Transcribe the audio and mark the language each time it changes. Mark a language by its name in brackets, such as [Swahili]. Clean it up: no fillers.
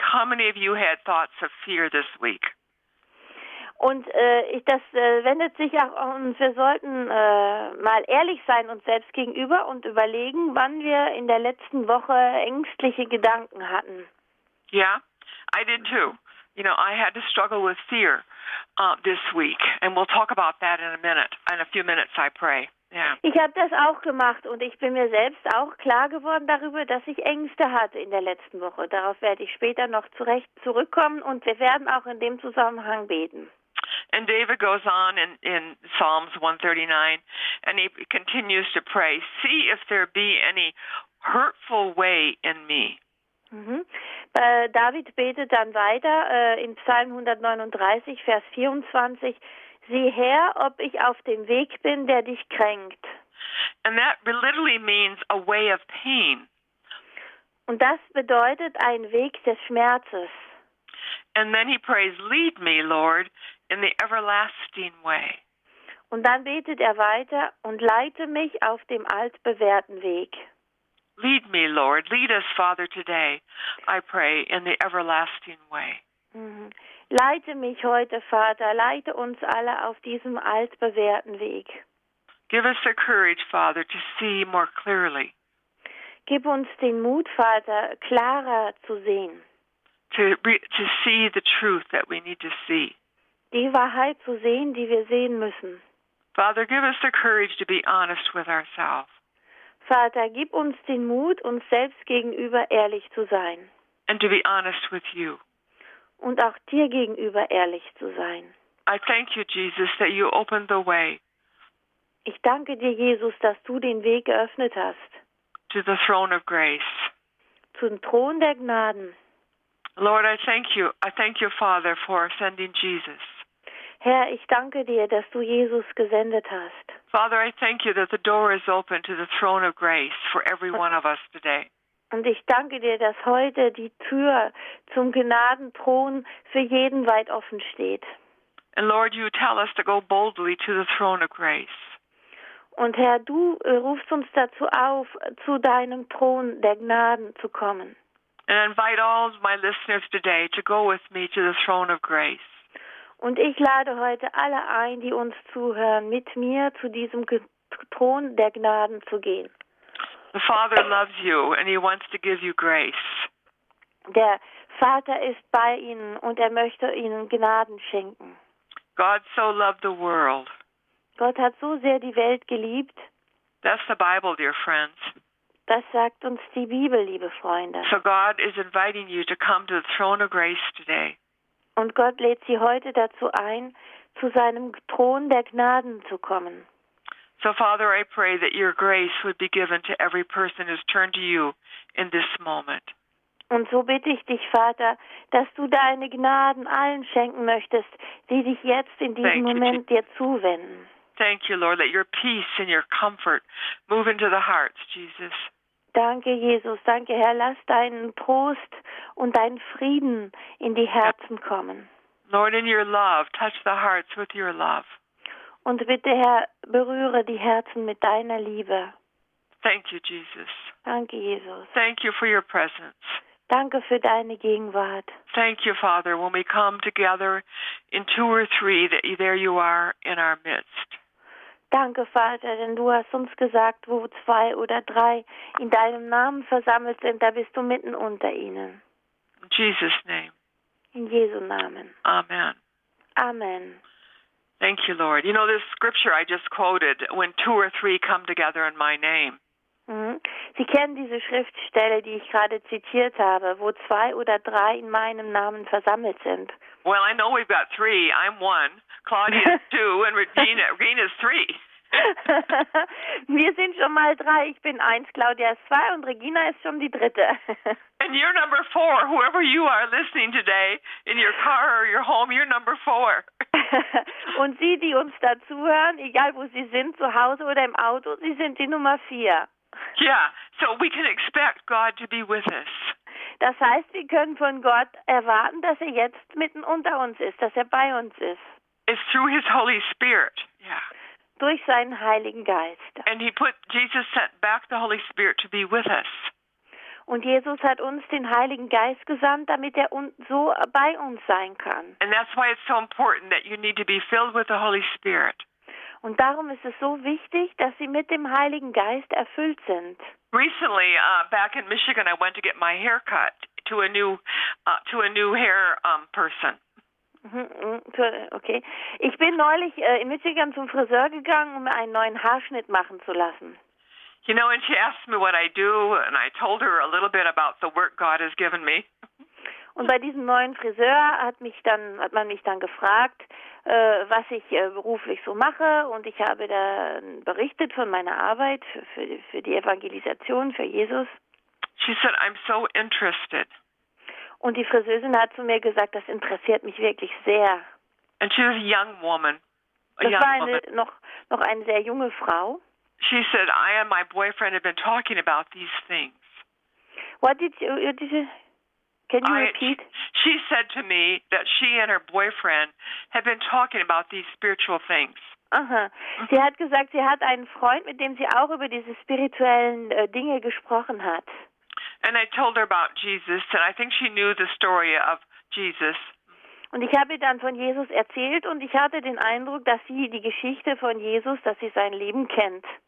[English] How many of you had thoughts of fear this week? [German] Und wendet sich auch an uns. Wir sollten mal ehrlich sein uns selbst gegenüber und überlegen, wann wir in der letzten Woche ängstliche Gedanken hatten. [English] Yeah, I did too. You know, I had to struggle with fear this week, and we'll talk about that in a few minutes. I pray. Yeah. [German] Ich habe das auch gemacht, und ich bin mir selbst auch klar geworden darüber, dass ich Ängste hatte in der letzten Woche. Darauf werde ich später noch zurecht zurückkommen, und wir werden auch in dem Zusammenhang beten. [English] And David goes on in Psalms 139, and he continues to pray. See if there be any hurtful way in me. [German] David betet dann weiter in Psalm 139, Vers 24. Sieh her, ob ich auf dem Weg bin, der dich kränkt. [English] And that literally means a way of pain. [German] Und das bedeutet ein Weg des Schmerzes. [English] And then he prays, lead me, Lord, in the everlasting way. [German] Und dann betet er weiter und leite mich auf dem altbewährten Weg. [English] Lead me, Lord. Lead us, Father, today, I pray, in the everlasting way. [German] Leite mich heute, Vater. Leite uns alle auf diesem altbewährten Weg. [English] Give us the courage, Father, to see more clearly. [German] Gib uns den Mut, Vater, klarer zu sehen. [English] To see the truth that we need to see. [German] Die Wahrheit zu sehen, die wir sehen müssen. [English] Father, give us the courage to be honest with ourselves. [German] Vater, gib uns den Mut, uns selbst gegenüber ehrlich zu sein. [English] And to be honest with you. [German] Und auch dir gegenüber ehrlich zu sein. [English] I thank you, Jesus, that you opened the way. [German] Ich danke dir, Jesus, dass du den Weg geöffnet hast. [English] To the throne of grace. [German] Zum Thron der Gnaden. [English] Lord, I thank you. I thank you, Father, for sending Jesus. [German] Herr, ich danke dir, dass du Jesus gesendet hast. [English] Father, I thank you that the door is open to the throne of grace for every one of us today. [German] Und ich danke dir, dass heute die Tür zum Gnadenthron für jeden weit offen steht. [English] And Lord, you tell us to go boldly to the throne of grace. [German] Und Herr, du rufst uns dazu auf, zu deinem Thron der Gnaden zu kommen. [English] And invite all my listeners today to go with me to the throne of grace. [German] Und ich lade heute alle ein, die uns zuhören, mit mir zu diesem Thron der Gnaden zu gehen. [English] The Father loves you and he wants to give you grace. [German] Der Vater ist bei ihnen und er möchte ihnen Gnaden schenken. [English] God so loved the world. [German] Gott hat so sehr die Welt geliebt. [English] That's the Bible, dear friends. [German] Das sagt uns die Bibel, liebe Freunde. [English] So God is inviting you to come to the throne of grace today. [German] Und Gott lädt sie heute dazu ein, zu seinem Thron der Gnaden zu kommen. [English] So, Father, I pray that your grace would be given to every person who's turned to you in this moment. [German] Und so bitte ich dich, Vater, dass du deine Gnaden allen schenken möchtest, die sich jetzt in diesem Moment dir zuwenden. [English] Thank you, Lord, that your peace and your comfort move into the hearts, Jesus. [German] Danke, Jesus. Danke, Herr. Lass deinen Trost und deinen Frieden in die Herzen kommen. [English] Lord, in your love, touch the hearts with your love. [German] Und bitte, Herr, berühre die Herzen mit deiner Liebe. [English] Thank you, Jesus. [German] Danke, Jesus. [English] Thank you for your presence. [German] Danke für deine Gegenwart. [English] Thank you, Father, when we come together in two or three, that there you are in our midst. [German] Danke, Vater, denn du hast uns gesagt, wo zwei oder drei in deinem Namen versammelt sind, da bist du mitten unter ihnen. [English] In Jesus' name. [German] In Jesu Namen. [English] Amen. [German] Amen. [English] Thank you, Lord. You know, this scripture I just quoted, when two or three come together in my name. [German] Sie kennen diese Schriftstelle, die ich gerade zitiert habe, wo zwei oder drei in meinem Namen versammelt sind. [English] Well, I know we've got three. I'm one. Claudia is two and Regina is three. [German] Wir sind schon mal drei. Ich bin eins, Claudia ist zwei und Regina ist schon die dritte. [English] And you're number four. Whoever you are listening today, in your car or your home, you're number four. [German] Und Sie, die uns dazuhören, egal wo Sie sind, zu Hause oder im Auto, Sie sind die Nummer vier. [English] Yeah, so we can expect God to be with us. [German] Das heißt, wir können von Gott erwarten, dass er jetzt mitten unter uns ist, dass er bei uns ist. [English] It's through his Holy Spirit, yeah. [German] Durch seinen Heiligen Geist. [English] And he put, Jesus sent back the Holy Spirit to be with us. [German] Und Jesus hat uns den Heiligen Geist gesandt, damit er so bei uns sein kann. [English] And that's why it's so important that you need to be filled with the Holy Spirit. [German] Und darum ist es so wichtig, dass sie mit dem Heiligen Geist erfüllt sind. [English] Recently, back in Michigan, I went to get my hair cut to a new hair person. Okay. [German] Ich bin neulich in Michigan zum Friseur gegangen, um einen neuen Haarschnitt machen zu lassen. [English] You know, and she asked me what I do, and I told her a little bit about the work God has given me. [German] Und bei diesem neuen Friseur hat man mich dann gefragt, was ich beruflich so mache, und ich habe dann berichtet von meiner Arbeit für die Evangelisation, für Jesus. [English] She said, I'm so interested. [German] Und die Friseurin hat zu mir gesagt, das interessiert mich wirklich sehr. [English] And she was a young woman. [German] Noch eine sehr junge Frau. [English] She said, I and my boyfriend have been talking about these things. She said to me that she and her boyfriend have been talking about these spiritual things. [German] Sie hat gesagt, sie hat einen Freund, mit dem sie auch über diese spirituellen Dinge gesprochen hat. [English] And I told her about Jesus, and I think she knew the story of Jesus. [German] Und ich habe dann von Jesus erzählt, und ich hatte den Eindruck, dass sie die Geschichte von Jesus, dass sie sein Leben kennt.